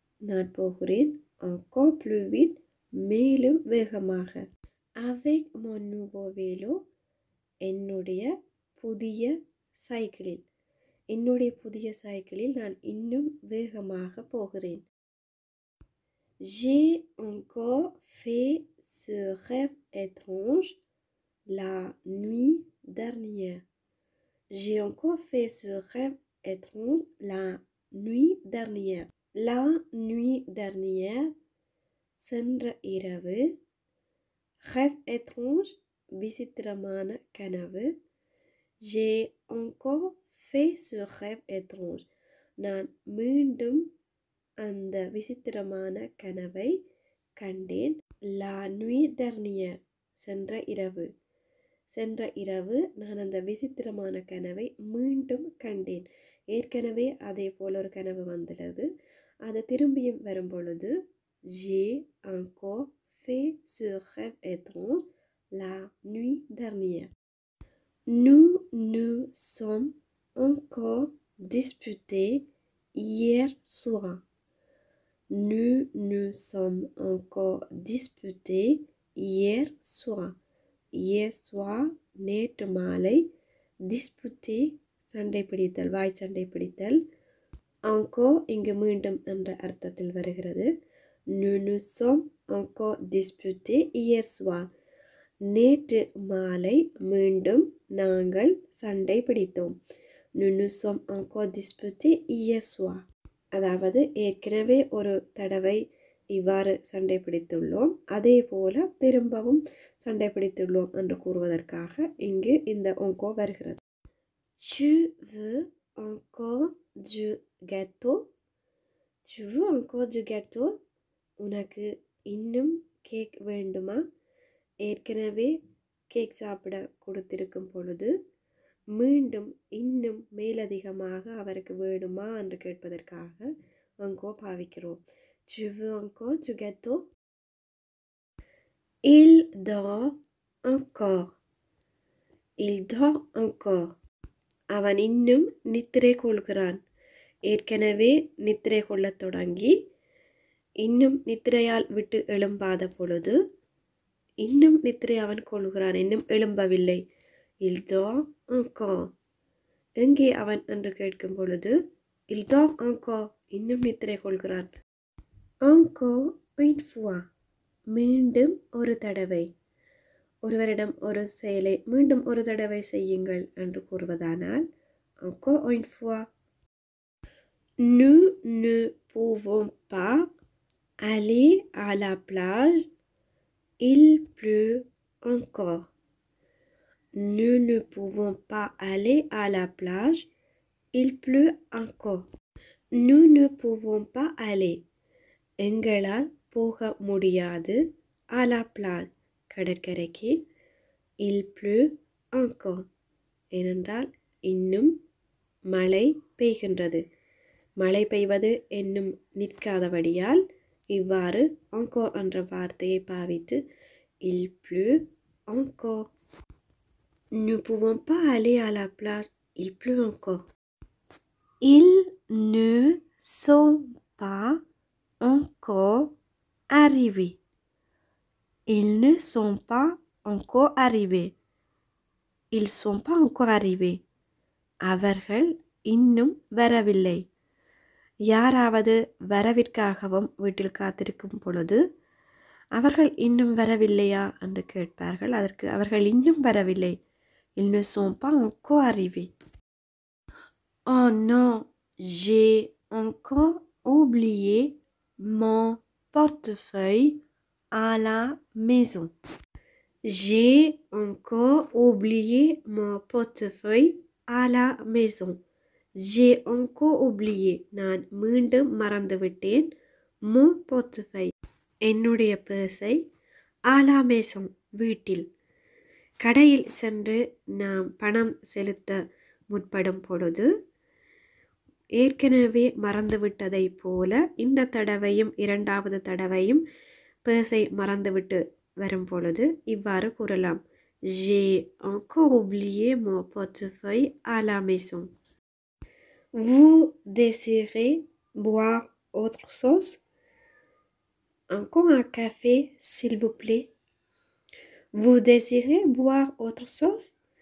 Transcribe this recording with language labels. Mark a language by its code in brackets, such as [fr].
[ta] நான் போகிறேன் [fr] encore plus vite [ta] மேலும் வேகமாக. [fr] Avec mon nouveau vélo, [ta] என்னுடைய புதிய சைக்கிளில் என்னுடைய புதிய சைக்கிளில் நான் இன்னும் வேகமாக போகிறேன். [fr] J'ai encore fait ce rêve étrange la nuit dernière. J'ai encore fait ce rêve étrange la nuit dernière. La nuit dernière, [ta] சென்ற இரவு, [fr] rêve étrange, [ta] விசித்திரமான கனவு, [fr] j'ai encore fait ce rêve étrange. [ta] நான் மீண்டும் அந்த விசித்திரமான கனவை கண்டேன். [fr] La nuit dernière, [ta] சென்ற இரவு. சென்ற இரவு நான் அந்த விசித்திரமான கனவை மீண்டும் கண்டேன். ஏற்கனவே அதே போல ஒரு கனவு வந்துள்ளது. அது திரும்பியும் வரும் பொழுது [fr] j'ai encore fait ce rêve étrange la nuit dernière. Nous nous sommes encore disputés hier soir. Nous nous sommes encore disputés hier soir. Hier soir, [ta] நேற்று மாலை, [fr] disputé, [ta] சண்டை பிடித்தல், வாய் சண்டை பிடித்தல், encore, இங்கு மீண்டும் என்ற அர்த்தத்தில் வருகிறது. [fr] Nous nous sommes encore disputés hier soir. [ta] நேற்று மாலை, மீண்டும் நாங்கள் சண்டை பிடித்தோம். [fr] Nous nous sommes encore disputés hier soir. [ta] அதாவது ஏற்கனவே ஒரு தடவை இவ்வாறு சண்டை பிடித்துள்ளோம், அதே போல திரும்பவும் சண்டை பிடித்துள்ளோம் என்று கூறுவதற்காக இங்கு இந்த ஒங்கோ வருகிறது. [fr] Tu veux encore du gâteau? Tu veux encore du gâteau? [ta] உனக்கு இன்னும் கேக் வேண்டுமா? ஏற்கனவே கேக் சாப்பிட கொடுத்திருக்கும் பொழுது மீண்டும் இன்னும் மேலதிகமாக அவருக்கு வேண்டுமா என்று கேட்பதற்காக அங்கோ பாவிக்கிறோம். [fr] Tu veux encore du gâteau? Il dort encore. Il dort encore. [ta] அவன் இன்னும் நித்திரை கொள்கிறான். ஏற்கனவே நித்திரை கொள்ளத் தொடங்கி இன்னும் நித்திரையால் விட்டு எழும்பாத பொழுது இன்னும் நித்திரை அவன் கொள்கிறான், இன்னும் எழும்பவில்லை. [fr] Il dort encore. [ta] எங்கே அவன் என்று கேட்கும் பொழுது [fr] Il dort encore. [ta] இன்னும் நித்திரை கொள்கிறான். [fr] Encore une fois. [ta] மீண்டும் ஒரு தடவை. ஒருவரிடம் ஒரு செயலை மீண்டும் ஒரு தடவை செய்யுங்கள் என்று கூறுவதானால் [fr] Encore une fois. Nous ne pouvons pas aller à la plage. Il pleut encore. Nous ne pouvons pas aller à la plage. Il pleut encore. Nous ne pouvons pas aller. [ta] எங்களால் போக முடியாது. [fr] À la plage. [ta] கடற்கரைக்கு. [fr] Il pleut encore. [ta] ஏனென்றால் இன்னும் மழை பெய்கின்றது. மழை பெய்வது இன்னும் நிற்காதபடியால் இவ்வாறு encore என்ற வார்த்தையை பாவித்து [fr] Il pleut encore. Nous pouvons pas aller à la plage. Il pleut encore. Ils ne sont pas encore arrivés. Ils ne sont pas encore arrivés. Ils sont pas encore arrivés. [ta] அவர்கள் இன்னும் வரவில்லை. யாராவது வரவிற்காகவும் வீட்டில் காத்திருக்கும் பொழுது அவர்கள் இன்னும் வரவில்லையா என்று கேட்பார்கள். அதற்கு அவர்கள் இன்னும் வரவில்லை. [fr] Ils ne sont pas encore arrivés. Oh non, j'ai encore oublié mon portefeuille à la maison. J'ai encore oublié mon portefeuille à la maison. J'ai encore oublié. [ta] நான் மீண்டும் மறந்துவிட்டேன். [fr] Mon portefeuille. [ta] என்னுடைய பர்சை. [fr] À la maison. [ta] வீட்டில். கடையில் சென்று நாம் பணம் செலுத்த முற்படும் பொழுது ஏற்கனவே மறந்துவிட்டதை போல இந்த தடவையும் இரண்டாவது தடவையும் பர்ஸை மறந்துவிட்டு வரும் பொழுது இவ்வாறு கூறலாம். [fr] J'ai encore oublié mon portefeuille à la maison. Vous désirez boire autre chose? Encore un café, s'il vous plaît. Vous désirez boire autre chose?